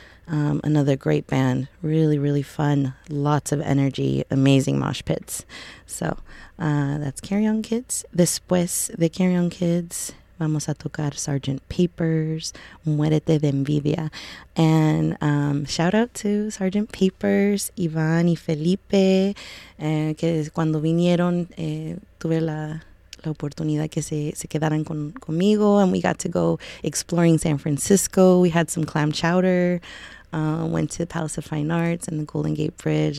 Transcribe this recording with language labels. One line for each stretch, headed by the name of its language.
English: Another great band, really, really fun, lots of energy, amazing mosh pits. So that's Carry On Kids.
Spanish: Después de Carry On Kids, vamos a tocar Sgt.
English: Papers, Muérete de Envidia. And shout out to Sgt.
Spanish: Papers, Iván y Felipe, que cuando vinieron tuve la oportunidad que se quedaran conmigo.
English: And we got to go exploring San Francisco. We had some clam chowder. Went to the Palace of Fine Arts and the Golden Gate Bridge.